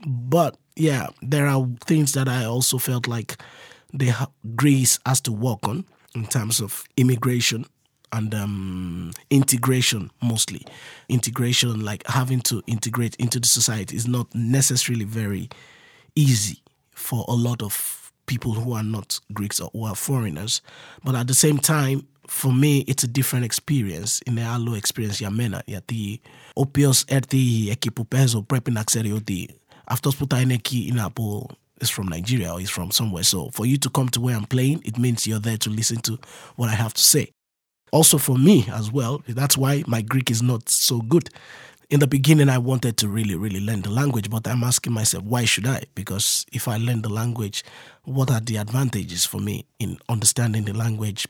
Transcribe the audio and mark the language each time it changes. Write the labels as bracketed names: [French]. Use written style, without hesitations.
[English] But yeah, there are things that I also felt like Greece has to work on in terms of immigration and integration, mostly. Integration, like having to integrate into the society, is not necessarily very easy for a lot of people who are not Greeks or who are foreigners. But at the same time, for me, it's a different experience. [Greek] Είναι άλλο experience για μένα, γιατί όποιος έρθει εκεί που παίζω πρέπει να ξέρει ότι αυτός που θα είναι εκεί είναι από, [English] is from Nigeria or is from somewhere. So for you to come to where I'm playing, it means you're there to listen to what I have to say. Also for me as well, that's why my Greek is not so good. In the beginning, I wanted to really, really learn the language, but I'm asking myself, why should I? Because if I learn the language, what are the advantages for me in understanding the language?